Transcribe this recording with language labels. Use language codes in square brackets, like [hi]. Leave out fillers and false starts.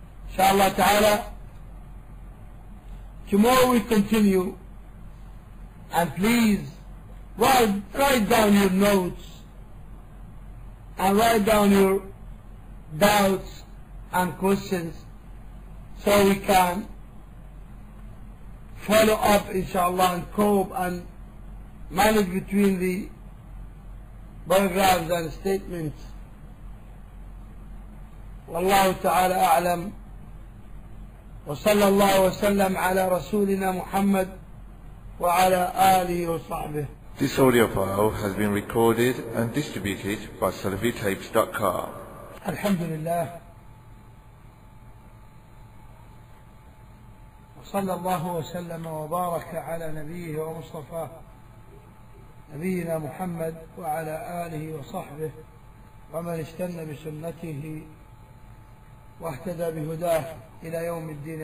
[en] Inshallah ta'ala, tomorrow we continue, and please write down your notes and write down your doubts and questions so we can follow up inshallah and cope and manage between the paragraphs and statements. [ar] Wallahu ta'ala a'lam. وصلى الله وسلم على رسولنا محمد وعلى آله وصحبه. [en] This audio file has been recorded and distributed by SalafiTapes.com. [ar] الحمد لله وصلى الله وسلم وبارك على نبيه ومصطفى نبينا محمد وعلى آله وصحبه ومن اشتن بسنته واهتدى بهداه إلى يوم الدين.